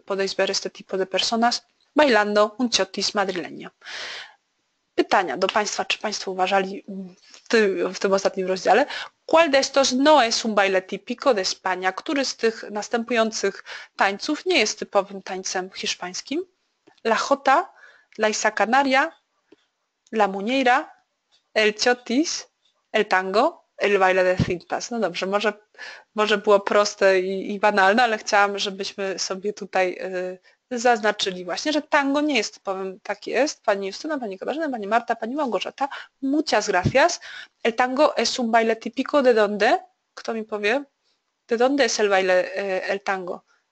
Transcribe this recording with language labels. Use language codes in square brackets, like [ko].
[pl] Podejść [es] ver este tipo de personas bailando un chotis madrileño. [pl] Pytania do Państwa, czy Państwo uważali w tym ostatnim rozdziale. [es] ¿Cuál de estos no es un baile típico de España? [pl] Który z tych następujących tańców nie jest typowym tańcem hiszpańskim? [es] La jota, la Isa Canaria, la muñeira, el chotis, el tango. El baile de cintas. [pl] No dobrze, może było proste i banalne, ale chciałam, żebyśmy sobie tutaj zaznaczyli właśnie, że tango nie jest, powiem, tak jest. Pani Justyna, Pani Katarzyna, Pani Marta, Pani Małgorzata. [es] Muchas gracias. El tango es un baile típico de dónde? [pl] Kto mi powie? [es] De dónde es el baile el tango?